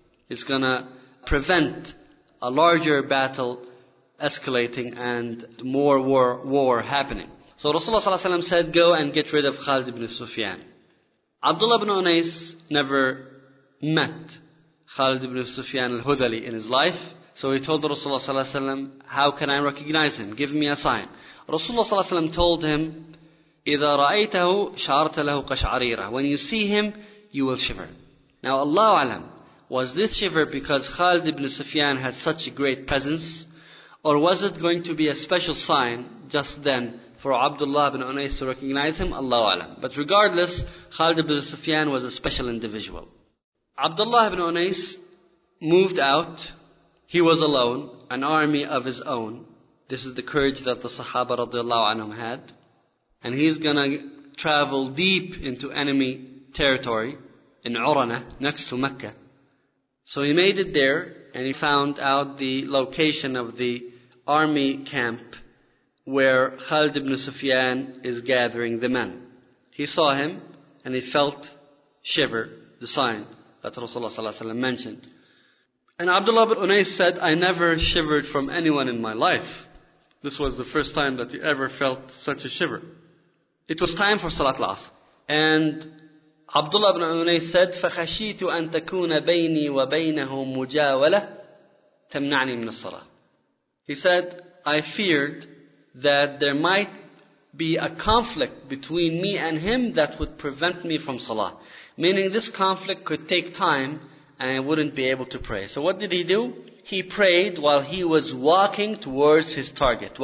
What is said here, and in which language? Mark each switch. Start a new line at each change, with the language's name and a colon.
English: It's going to prevent a larger battle escalating and more war happening. So Rasulullah ﷺ said, go and get rid of Khalid ibn Sufyan. Abdullah ibn Unais never met Khalid ibn Sufyan al-Hudali in his life. So he told Rasulullah ﷺ, how can I recognize him? Give me a sign.
Arabic: Rasulullah ﷺ told him, إِذَا رَأَيْتَهُ شَعَرْتَ لَهُ قَشْعَرِيرَهُ.
English: When you see him, you will shiver. Now Allahu alam, was this shiver because Khalid ibn Sufyan had such a great presence? Or was it going to be a special sign just then for Abdullah ibn Unais to recognize him? Allahu alam. But regardless, Khalid ibn Sufyan was a special individual. Abdullah ibn Unais moved out. He was alone, an army of his own. This is the courage that the Sahaba radiallahu anhum had. And he's going to travel deep into enemy territory in Urana, next to Mecca. So he made it there, and he found out the location of the army camp where Khalid ibn Sufyan is gathering the men. He saw him, and he felt shiver, the sign that Rasulullah ﷺ mentioned. And Abdullah ibn Unais said, I never shivered from anyone in my life. This was the first time that he ever felt such a shiver. It was time for Salat al-Asr.
Arabic: And Abdullah ibn Unais said, فَخَشِيتُ أَن تَكُونَ بَيْنِي وَبَيْنَهُمْ مُجَاوَلَةً تَمْنَعْنِي مِنَ الصَّلَاةِ.
English: He said, I feared that there might be a conflict between me and him that would prevent me from Salah. Meaning this conflict could take time and I wouldn't be able to pray. So what did he do? He prayed while he was walking towards his target.